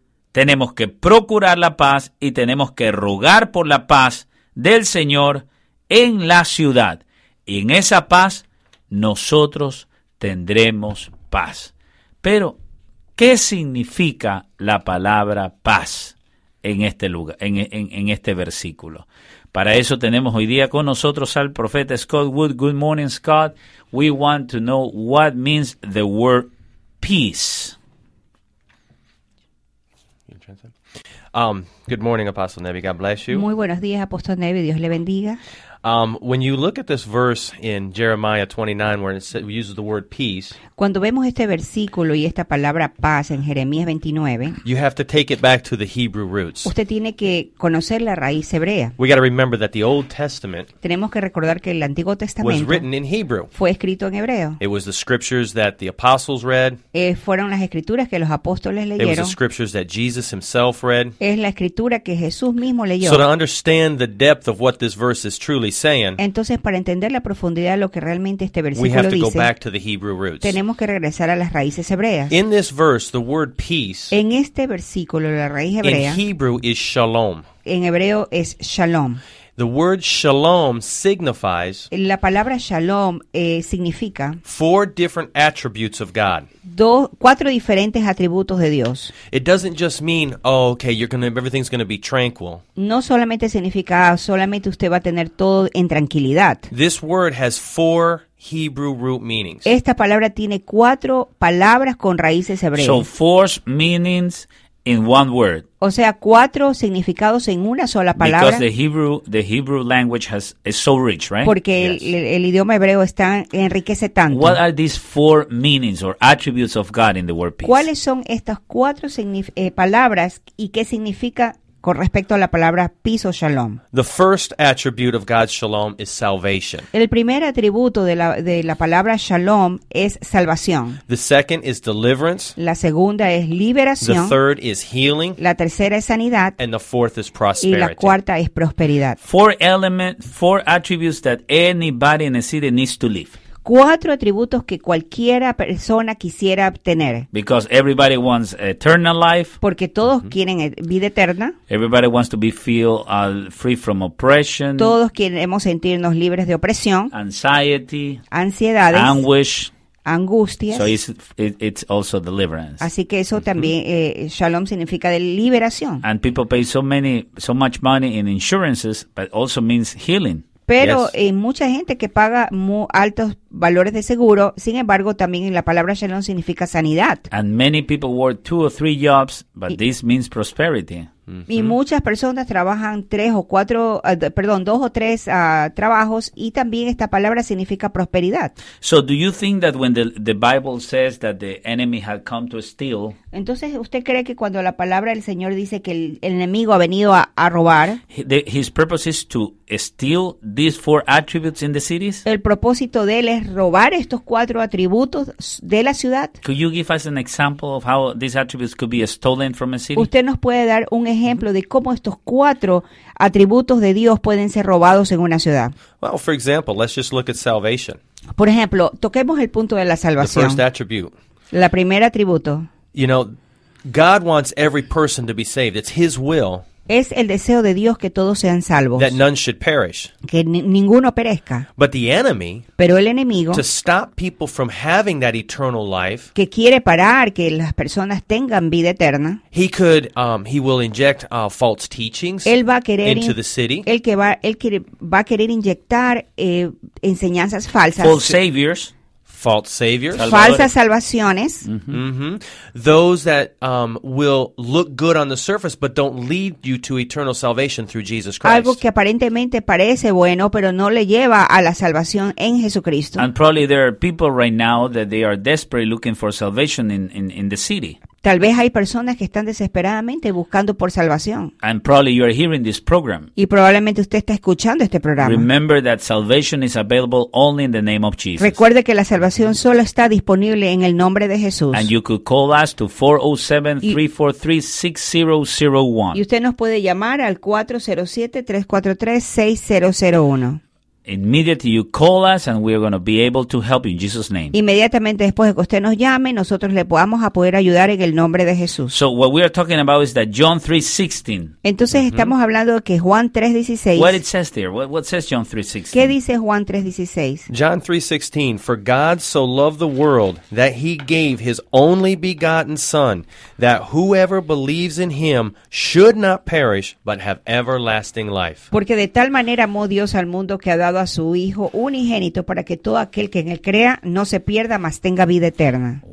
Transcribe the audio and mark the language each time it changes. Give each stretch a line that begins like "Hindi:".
Spanish: Tenemos que procurar la paz y tenemos que rogar por la paz del Señor en la ciudad, y en esa paz nosotros tendremos paz. Paz. Pero, ¿qué significa la palabra paz en este lugar, en este versículo? Para eso tenemos hoy día con nosotros al profeta Scott Wood.
English: Good morning, Scott. We want to know what means the word peace. Good translate. Good morning, Apostle Nevi. God bless you.
Spanish: Muy buenos días, Apostle Nevi. Dios le bendiga.
English: When you look at this verse in Jeremiah 29, where it uses the word peace,
Spanish: cuando vemos este versículo y esta palabra paz en Jeremías 29,
English: you have to take it back to the Hebrew roots.
Spanish: Usted tiene que conocer la raíz hebrea.
English: We got to remember that the Old Testament,
Spanish: tenemos que recordar que el Antiguo Testamento,
English: was written in Hebrew.
Spanish: Fue escrito en hebreo.
English: It was the scriptures that the apostles read.
Spanish: Fueron las escrituras que los apóstoles leyeron.
English: It was the scriptures that Jesus himself read.
Spanish: Es la escritura que Jesús mismo leyó.
English: So to understand the depth of what this verse is truly saying,
Spanish: entonces, para entender la profundidad de lo que realmente este versículo
English: we have to
Spanish: dice,
English: go back to the Hebrew roots.
Spanish: Tenemos que regresar a las raíces hebreas.
English: In this verse, the word peace,
Spanish: en este versículo, la raíz hebrea,
English: in Hebrew is shalom.
Spanish: En hebreo es shalom.
English: The word shalom signifies,
Spanish: la palabra shalom significa,
English: four different attributes of God.
Spanish: Cuatro diferentes atributos de Dios.
English: It doesn't just mean, oh, okay, everything's going to be tranquil.
Spanish: No solamente significa, solamente usted va a tener todo en tranquilidad.
English: This word has four Hebrew root meanings.
Spanish: Esta palabra tiene cuatro palabras con raíces hebreas.
English: So four meanings in one word.
Spanish: O sea, cuatro significados en una sola palabra.
English: Because the Hebrew language is so rich, right?
Spanish: Porque
English: yes.
Spanish: el idioma hebreo está enriquece tanto.
English: What are these four meanings or attributes of God in the word peace?
Spanish: ¿Cuáles son estas cuatro palabras y qué significa con respecto a la palabra peace o shalom?
English: The first attribute of God's shalom is salvation.
Spanish: El primer atributo de la palabra shalom es salvación.
English: The second is deliverance.
Spanish: La segunda es liberación.
English: The third is healing.
Spanish: La tercera es sanidad.
English: And the fourth is prosperity.
Spanish: Y la cuarta es prosperidad.
English: Four attributes that anybody in a city needs to live.
Spanish: Cuatro atributos que cualquiera persona quisiera obtener.
English: Because everybody wants eternal life.
Spanish: Porque todos mm-hmm. quieren vida eterna.
English: Everybody wants to be free from oppression.
Spanish: Todos queremos sentirnos libres de opresión.
English: Anxiety.
Spanish: Ansiedades.
English: Anguish.
Spanish: Angustias.
English: So it's also deliverance.
Spanish: Así que eso también shalom significa de liberación.
English: And people pay so much money in insurances, but also means healing.
Spanish: Pero hay mucha gente que paga muy altos valores de seguro, sin embargo, también la palabra shalom significa sanidad.
English: And many people work two or three jobs, but this means prosperity.
Spanish: Y muchas personas trabajan dos o tres trabajos y también esta palabra significa prosperidad.
English: So do you think that when the Bible says that the enemy had come to steal?
Spanish: Entonces, ¿usted cree que cuando la palabra del Señor dice que el enemigo ha venido a robar?
English: His purpose is to steal these four attributes in the cities?
Spanish: El propósito de él es robar estos cuatro atributos de la ciudad.
English: Could you give us an example of how these attributes could be stolen from a city?
Spanish: ¿Usted nos puede dar un ejemplo de cómo estos cuatro atributos de Dios pueden ser robados en una ciudad?
English: Well, for example, let's just look at salvation.
Spanish: Por ejemplo, toquemos el punto de la salvación.
English: The first attribute.
Spanish: La primera atributo.
English: You know, God wants every person to be saved. It's His will.
Spanish: Es el deseo de Dios que todos sean salvos.
English: That none should perish.
Spanish: Que ninguno perezca.
English: But the enemy,
Spanish: pero el enemigo,
English: to stop people from having that eternal life,
Spanish: que quiere parar que las personas tengan vida eterna,
English: he will inject false teachings into the city.
Spanish: Él va a querer inyectar enseñanzas falsas.
English: False saviors. False saviors.
Spanish: Falsas salvaciones. Mm-hmm.
English: Those that will look good on the surface but don't lead you to eternal salvation through Jesus Christ.
Spanish: Algo que aparentemente parece bueno pero no le lleva a la salvación en Jesucristo.
English: And probably there are people right now that they are desperately looking for salvation in the city.
Spanish: Tal vez hay personas que están desesperadamente buscando por salvación.
English: And probably you are hearing this program.
Spanish: Y probablemente usted está escuchando este programa.
English: Remember that salvation is available only in the name of Jesus.
Spanish: Recuerde que la salvación solo está disponible en el nombre de Jesús.
English: And you could call us to 407-343-6001.
Spanish: Y usted nos puede llamar al 407-343-6001.
English: Immediately you call us and we are going to be able to help you in Jesus' name.
Spanish: Inmediatamente después de que usted nos llame, nosotros le vamos a poder ayudar en el nombre de Jesús.
English: So what we are talking about is that John 3:16.
Spanish: Entonces estamos hablando de que Juan 3:16.
English: What it says there? What says John 3:16?
Spanish: ¿Qué dice Juan 3:16?
English: John 3:16, for God so loved the world that he gave his only begotten son that whoever believes in him should not perish but have everlasting life.
Spanish: Porque de tal manera amó Dios al mundo que ha dado dado a su Hijo unigénito para que todo aquel que en Él crea no se pierda, mas tenga vida eterna.